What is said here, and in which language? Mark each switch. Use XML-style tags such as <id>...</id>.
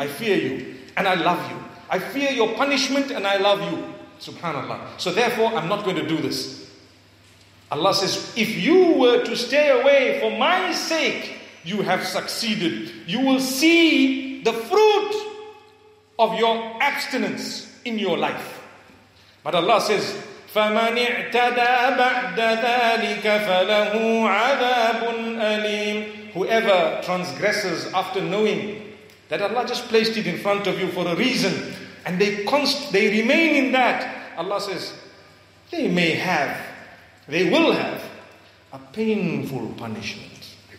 <en>I fear you and I love you. I fear your punishment and I love you. Subhanallah. So therefore, I'm not going to do this. Allah says, if you were to stay away for my sake, you have succeeded. You will see the fruit of your abstinence in your life. But Allah says,</en> <ar>فَمَنِ اعْتَدَى بَعْدَ ذَٰلِكَ فَلَهُ عَذَابٌ أَلِيمٌ.</ar> <en>Whoever transgresses after knowing that Allah just placed it in front of you for a reason, and they remain in that, Allah says, they will have a painful punishment.</en>